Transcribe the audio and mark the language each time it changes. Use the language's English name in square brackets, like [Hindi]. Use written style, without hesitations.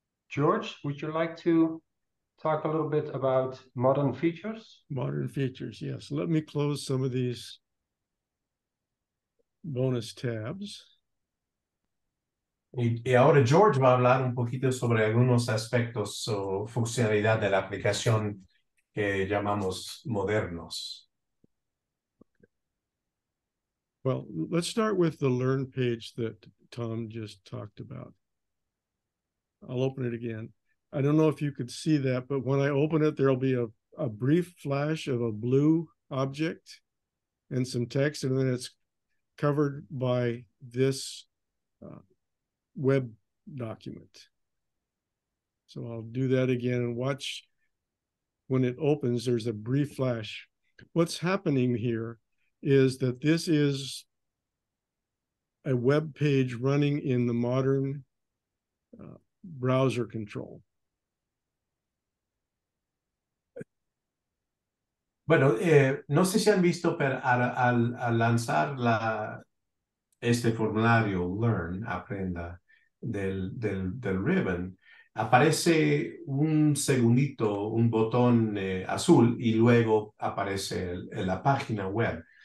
[English] George, would you like to talk a little bit about modern features? Modern features, yes. Let me close some of these bonus tabs. [Spanish] Y ahora George va a hablar un poquito sobre algunos aspectos o funcionalidad de la aplicación que llamamos modernos. [English] Well, let's start with the learn page that Tom just talked about. I'll open it again. I don't know if you could see that, but when I open it, there'll be a brief flash of a blue object and some text, and then it's covered by this web document. So I'll do that again and watch when it opens, there's a brief flash. What's happening here is that this is a web page running in the modern browser control. [Spanish] Bueno, no sé si han visto, pero al lanzar este formulario Learn, aprenda del ribbon, aparece un segundito, un botón azul, y luego aparece la página web.